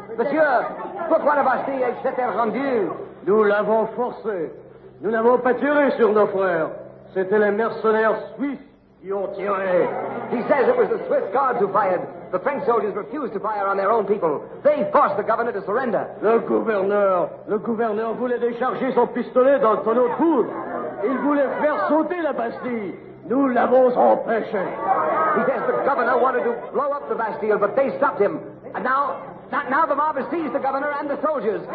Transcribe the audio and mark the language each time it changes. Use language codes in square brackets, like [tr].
[fr] Monsieur, pourquoi la Bastille s'est-elle rendue? Nous l'avons forcé. Nous n'avons pas tiré sur nos frères. C'était les mercenaires suisses. [en] He says it was the Swiss guards who fired. The French soldiers refused to fire on their own people. They forced the governor to surrender. [fr] Le gouverneur voulait décharger son pistolet dans le tonneau de poudre. Il voulait faire sauter la Bastille. Nous l'avons empêché. [en] He says the governor wanted to blow up the Bastille, but they stopped him. And now the mob has seized the governor and the soldiers.